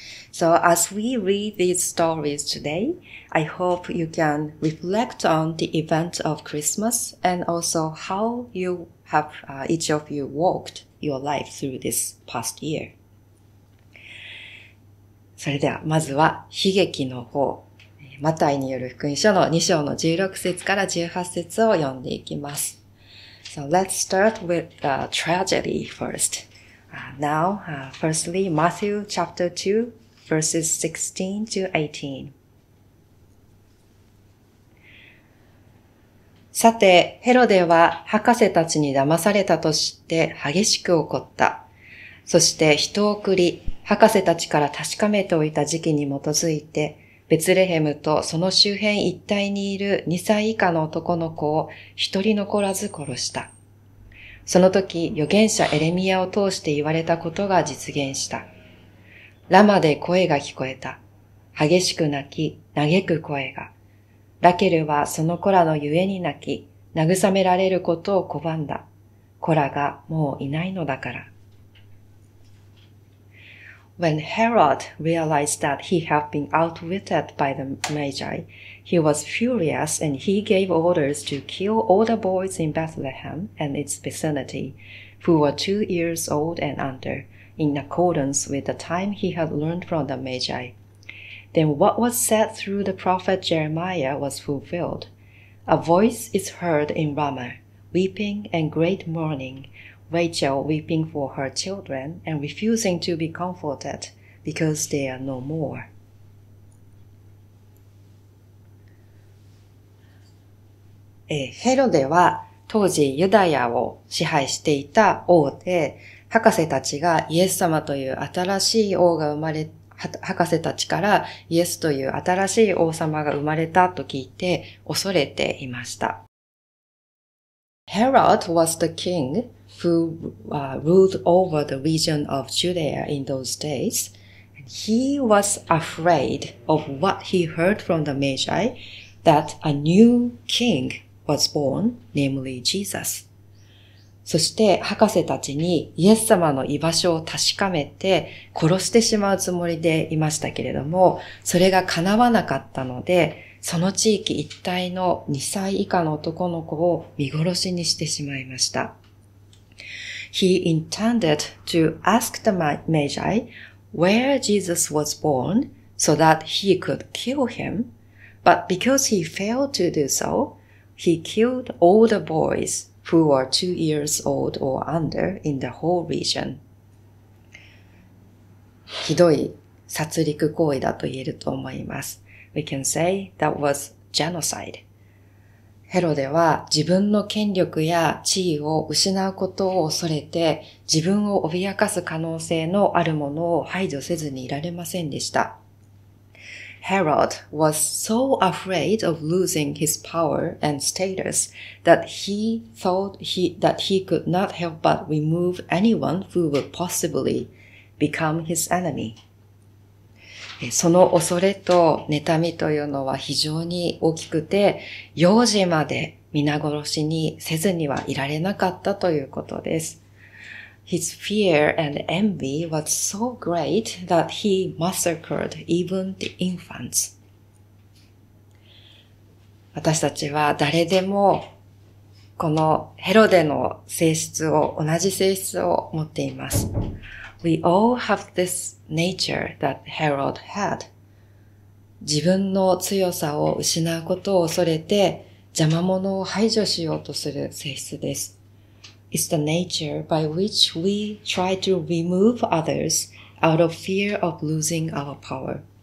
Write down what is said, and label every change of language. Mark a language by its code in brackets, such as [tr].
[en] So as we read these stories today, I hope you can reflect on the event of Christmas and also how you have, each of you walked. Your life through this past year. [ja] それではまずは悲劇の方、マタイによる福音書の2章の16節から18節を読んでいきます。 [en] So let's start with the tragedy first. Firstly, Matthew chapter 2, verses 16 to 18. [ja] さて、ヘロデは博士たちに騙されたと知って激しく怒った。そして人を送り、博士たちから確かめておいた時期に基づいて、ベツレヘムとその周辺一帯にいる2歳以下の男の子を一人残らず殺した。その時、預言者エレミアを通して言われたことが実現した。ラマで声が聞こえた。激しく泣き、嘆く声が。ラケルはその子らのゆえに泣き、慰められることを拒んだ。子らがもういないのだから。 [en] When Herod realized that he had been outwitted by the Magi, he was furious and he gave orders to kill all the boys in Bethlehem and its vicinity, who were 2 years old and under, in accordance with the time he had learned from the Magi. Then what was said through the prophet Jeremiah was fulfilled. A voice is heard in Ramah, weeping and great mourning, Rachel weeping for her children and refusing to be comforted because they are no more. [ja] ヘロデは当時ユダヤを支配していた王で、博士たちがイエス様という新しい王が生まれて博士たちからイエスという新しい王様が生まれたと聞いて恐れていました。 [en] Herod was the king who ruled over the region of Judea in those days. He was afraid of what he heard from the Magi that a new king was born, namely Jesus. [ja] そして博士たちにイエス様の居場所を確かめて殺してしまうつもりでいましたけれども、それが叶わなかったので、その地域一帯の2歳以下の男の子を見殺しにしてしまいました。 [en] He intended to ask the Magi where Jesus was born so that he could kill him, but because he failed to do so, he killed all the boys who were 2 years old or under in the whole region. [ja] ひどい殺戮行為だと言えると思います。 [en] We can say that was genocide. [ja] ヘロデは自分の権力や地位を失うことを恐れて、自分を脅かす可能性のあるものを排除せずにいられませんでした。 [en] Herod was so afraid of losing his power and status that he thought that he could not help but remove anyone who would possibly become his enemy. [ja] その恐れと妬みというのは非常に大きくて、幼児まで皆殺しにせずにはいられなかったということです。 [en] His fear and envy was so great that he massacred even the infants. [ja] 私たちは誰でもこのヘロデの性質を、同じ性質を持っています。 [en] We all have this nature that Herod had. [ja] 自分の強さを失うことを恐れて邪魔者を排除しようとする性質です。 [en] It's the nature by which we try to remove others out of fear of losing our power.